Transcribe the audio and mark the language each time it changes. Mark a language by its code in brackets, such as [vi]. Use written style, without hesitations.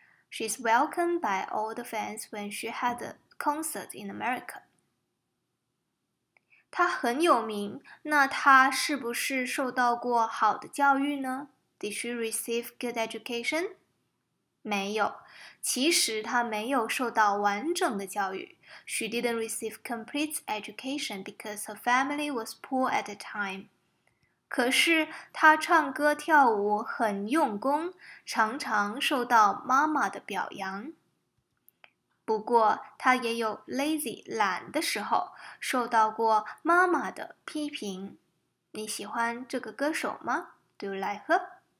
[en] She's welcomed by all the fans when she had a concert in America. [zh] 他很有名，那他是不是受到过好的教育呢？ [en] Did she receive good education? [zh] 没有，其实他没有受到完整的教育。 [en] She didn't receive complete education because her family was poor at the time. [zh] 可是他唱歌跳舞很用功，常常受到妈妈的表扬。不过他也有 lazy 懒的时候，受到过妈妈的批评。你喜欢这个歌手吗？ [en] Do you like her?